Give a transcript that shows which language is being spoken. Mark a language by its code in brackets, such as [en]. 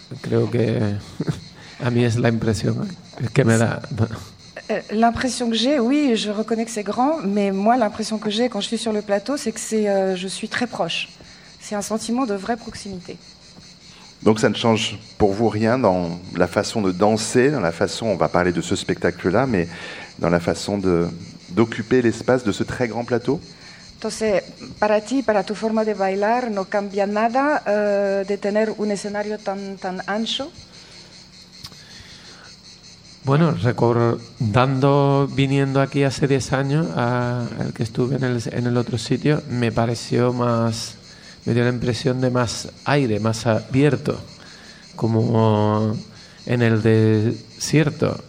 [es] Creo que a mí es la impresión que me da. [fr] L'impression que j'ai, oui, je reconnais que c'est grand, mais moi, l'impression que j'ai quand je suis sur le plateau, c'est que je suis très proche. C'est un sentiment de vraie proximité. Donc ça ne change pour vous rien dans la façon de danser, dans la façon, on va parler de ce spectacle-là, mais dans la façon d'occuper l'espace de ce très grand plateau? [es] Entonces, para ti, para tu forma de bailar, no cambia nada de tener un escenario tan, tan ancho. Bueno, recordando, viniendo aquí hace 10 años, al que estuve en el otro sitio, me pareció más, me dio la impresión de más aire, más abierto, como en el desierto.